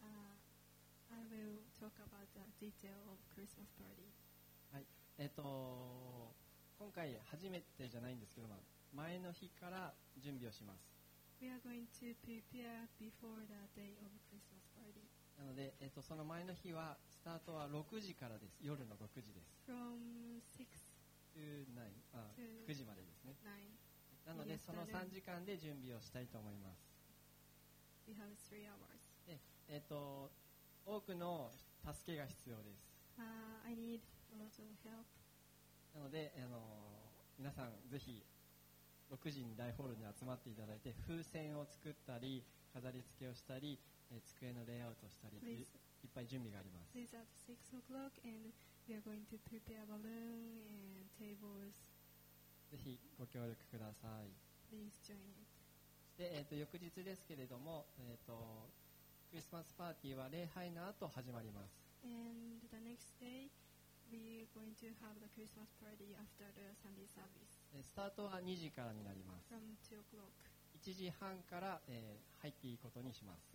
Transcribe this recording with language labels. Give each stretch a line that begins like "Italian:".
English: I will talk about the detail of Christmas party.
Japanese: はい、今回初めてじゃないんですけど、まあ、前の日から準備をします。
English: We are going to prepare before the day of Christmas party.
Japanese: なので、その前の日はスタートは6時からです。夜の6時です。
English: From 6 to 9,
Japanese: あ、to 9時までですね。
English: 9.
Japanese: なので、その3時間で準備をしたいと思います。
English: We have 3 hours.
Japanese: で、多くの助けが必要です。
English: I need a lot of help.
Japanese: なので、皆さんぜひ6時に大ホールに集まっていただいて、風船を作ったり飾り付けをしたり、机のレイアウトをしたり、
English: please.
Japanese: いっぱい準備があります。
English: Please at 6 o'clock and we are going to prepare balloon and tables.
Japanese: ぜひご協力ください。
English: Please join it.
Japanese: で、翌日ですけれども、クリスマスパーティーは礼拝の後始まります。
English: And the next day we are going to have the Christmas party after the Sunday service.
Japanese: スタートは2時からになります。
English: From 2 o'clock.
Japanese: 1時半から、入っていくことにします。